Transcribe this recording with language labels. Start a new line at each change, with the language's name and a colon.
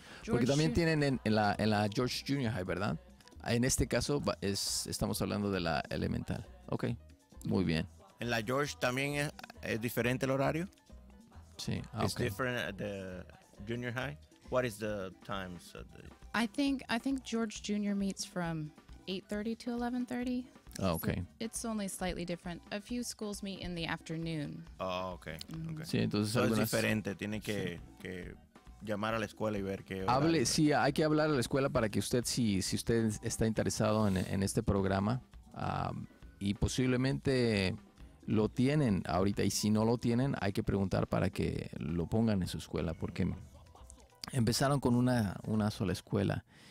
Spanish: Porque también tienen en la George Junior High, ¿verdad? En este caso estamos hablando de la elemental. Ok, muy bien. ¿En la George también es diferente el horario? Sí, okay. ¿Es diferente
English: at the Junior High? What is the time? I think George Junior meets from 8:30 to 11:30. Oh, okay. So it's only slightly different. A few schools meet in the afternoon. Oh, okay. Mm-hmm.
Spanish: Sí, entonces es diferente. Tiene que, sí, que llamar a la escuela y ver qué horario. Hable, sí, hay que hablar a la escuela para que usted, si usted está interesado en este programa, y posiblemente lo tienen ahorita, y si no lo tienen, hay que preguntar para que lo pongan en su escuela, porque empezaron con una sola escuela.